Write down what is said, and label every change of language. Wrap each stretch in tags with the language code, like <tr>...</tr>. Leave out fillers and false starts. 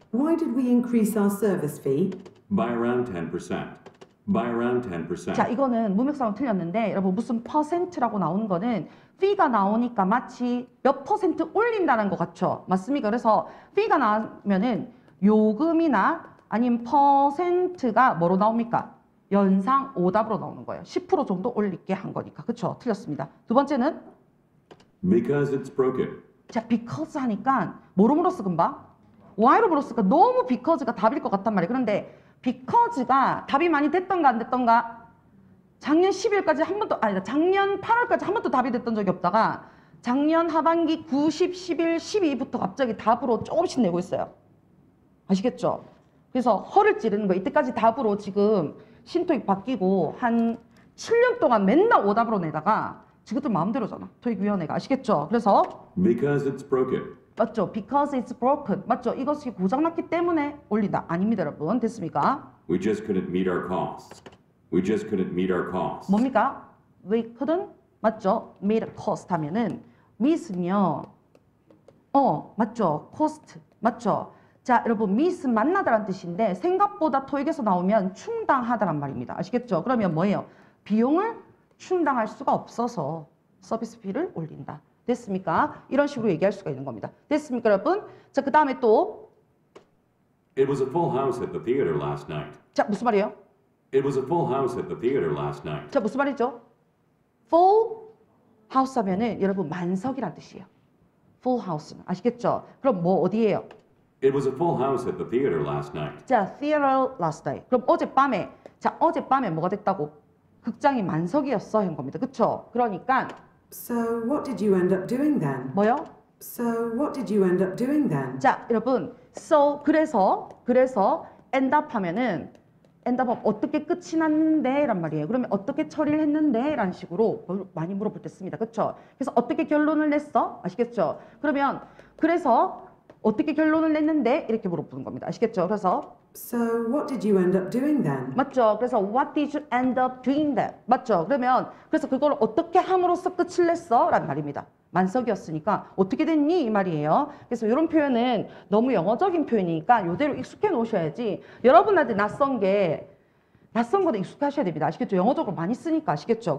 <en>Why did we increase our service fee? By around 10%. By around 10%.</en> <ko>자, 이거는 문맥상 틀렸는데 여러분 무슨 퍼센트라고 나오는 거는 fee가 나오니까 마치 몇 퍼센트 올린다는 것 같죠? 맞습니까? 그래서 fee가 나오면은 요금이나 아니면 퍼센트가 뭐로 나옵니까? 연상 오답으로 나오는 거예요. 10% 정도 올릴게 한 거니까. 그렇죠? 틀렸습니다. 두 번째는?</ko> <en>Because it's broken.</en> <ko>자, because 하니까 뭐로 물었어, 금방? Why로 물었을까? 너무 because가 답일 것 같단 말이에요. 그런데 because가 답이 많이 됐던가 안 됐던가 작년 10일까지 한 번도, 아니다, 작년 8월까지 한 번도 답이 됐던 적이 없다가 작년 하반기 90, 11, 12부터 갑자기 답으로 조금씩 내고 있어요. 아시겠죠? 그래서 허를 찌르는 거예요. 이때까지 답으로 지금 신토익 바뀌고 한 7년 동안 맨날 오답으로 내다가 지금도 마음대로잖아. 토익위원회가. 아시겠죠? 그래서</ko> <en>Because it's broken. 맞죠? Because it's broken. 맞죠?</en> <ko>이것이 고장났기 때문에 올린다. 아닙니다, 여러분. 됐습니까?</ko> <en>We just couldn't meet our costs. We just couldn't meet our costs.</en> <ko>뭡니까?</ko> <en>We couldn't, 맞죠? Meet a cost 하면은 meet은요.</en> <ko>맞죠? Cost. 맞죠? 자, 여러분, miss 만나다란 뜻인데 생각보다 토익에서 나오면 충당하다란 말입니다. 아시겠죠? 그러면 뭐예요? 비용을 충당할 수가 없어서 서비스 비를 올린다. 됐습니까? 이런 식으로 얘기할 수가 있는 겁니다. 됐습니까, 여러분? 자, 그 다음에 또</ko> <en>It was a full house at the theater last night.</en> <ko>자, 무슨 말이에요?</ko> <en>It was a full house at the theater last night.</en> <ko>자, 무슨 말이죠? Full house 하면은 여러분 만석이란 뜻이에요. Full house는 아시겠죠? 그럼 뭐 어디예요?</ko> <en>It was a full house at the theater last night. 자, theater last night.</en> <ko>그럼 어젯밤에, 자, 어젯밤에 뭐가 됐다고? 극장이 만석이었어, 한 겁니다. 그쵸? 그러니까</ko> <en>So what did you end up doing then?</en> <ko>뭐요?</ko> <en>So what did you end up doing then?</en> <ko>자, 여러분, so 그래서 end up 하면은 end up 어떻게 끝이 났는데 란 말이에요. 그러면 어떻게 처리를 했는데 라는 식으로 많이 물어볼 때 씁니다. 그쵸? 그래서 어떻게 결론을 냈어? 아시겠죠? 그러면 그래서 어떻게 결론을 냈는데 이렇게 물어보는 겁니다. 아시겠죠? 그래서</ko> <en>So what did you end up doing then?</en> <ko>맞죠?</ko> <en>그래서 what did you end up doing then?</en> <ko>맞죠? 그러면 그래서 그걸 어떻게 함으로써 끝을 냈어? 라는 말입니다. 만석이었으니까 어떻게 됐니? 이 말이에요. 그래서 이런 표현은 너무 영어적인 표현이니까 이대로 익숙해 놓으셔야지 여러분한테 낯선 것도 익숙하셔야 됩니다. 아시겠죠? 영어적으로 많이 쓰니까 아시겠죠?</ko>